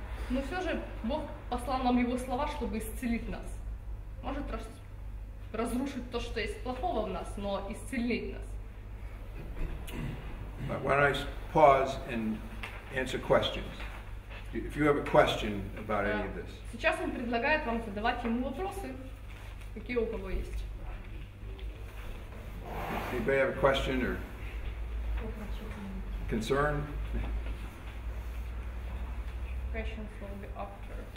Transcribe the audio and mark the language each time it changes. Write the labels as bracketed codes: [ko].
[ru] Но все же Бог послал нам Его слова, чтобы исцелить нас. Может разрушить то, что есть плохого в нас, но исцелить нас. [en] But why don't I pause and answer questions? If you have a question about any of this. [ru] Сейчас он предлагает вам задавать ему вопросы, какие у кого есть. [en] Anybody have a question or concern? Questions will be after.